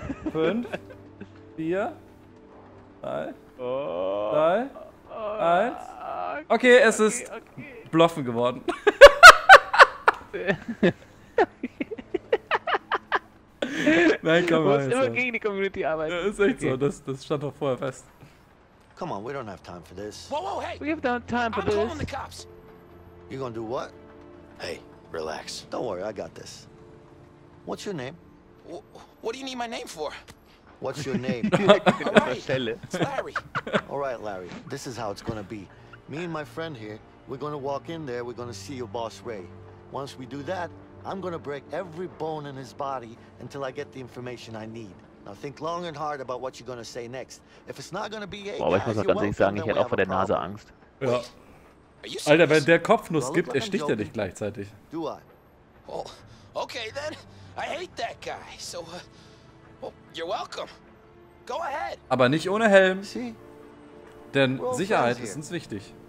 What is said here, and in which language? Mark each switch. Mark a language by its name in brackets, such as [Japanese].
[German] 5, 4, 3, 3, 1. Okay, es ist bluffen geworden. Nein, komm mal. Du musst immer gegen die Community arbeiten. Das ist echt so, das stand doch vorher fest. [English] Come on, we don't have time for this. Whoa, hey! We have no time for this. I'm calling the cops. You gonna do what? Hey, relax. Don't worry, I got this. What's your name? What do you need my name for? What's your name? Tell it. It's Larry. All right, Larry. This is how it's gonna be. Me and my friend here, we're gonna walk in there. We're gonna see your boss, Ray. Once we do that, I'm gonna break every bone in his body until I get the information I need. Now think long and hard about what you're gonna say next. If it's not gonna be a [German] guy, ich muss auch ganz ehrlich sagen, ich hätte auch vor der Nase Angst. Ja. Alter, wenn der Kopfnuss gibt, ersticht er dich gleichzeitig. [English] Do I? Oh, okay then. I hate that guy. So, you're welcome. Go ahead. [German] Aber nicht ohne Helm. See? Denn Sicherheit ist uns wichtig.